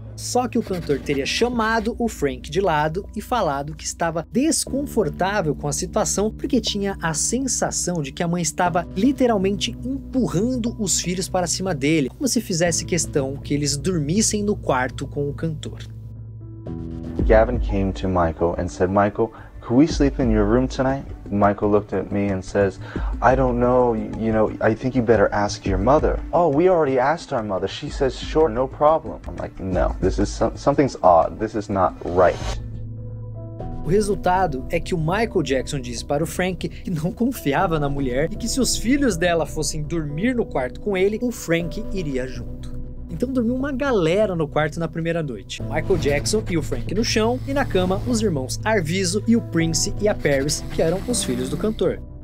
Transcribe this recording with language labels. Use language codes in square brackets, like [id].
[pt] Só que o cantor teria chamado o Frank de lado e falado que estava desconfortável com a situação porque tinha a sensação de que a mãe estava literalmente empurrando os filhos para cima dele, como se fizesse questão que eles dormissem no quarto com o cantor. [en] Gavin came to Michael and said, Michael, could we sleep in your room tonight? Michael looked at me and says, I don't know, you know, I think you better ask your mother. Oh, we already asked our mother. She says, sure, no problem. I'm like, no, this is something's odd. This is not right. [pt] O resultado é que o Michael Jackson disse para o Frank que não confiava na mulher e que se os filhos dela fossem dormir no quarto com ele, o Frank iria junto. Então dormiu uma galera no quarto na primeira noite. Michael Jackson e o Frank no chão, e na cama, os irmãos Arvizo e o Prince e a Paris, que eram os filhos do cantor.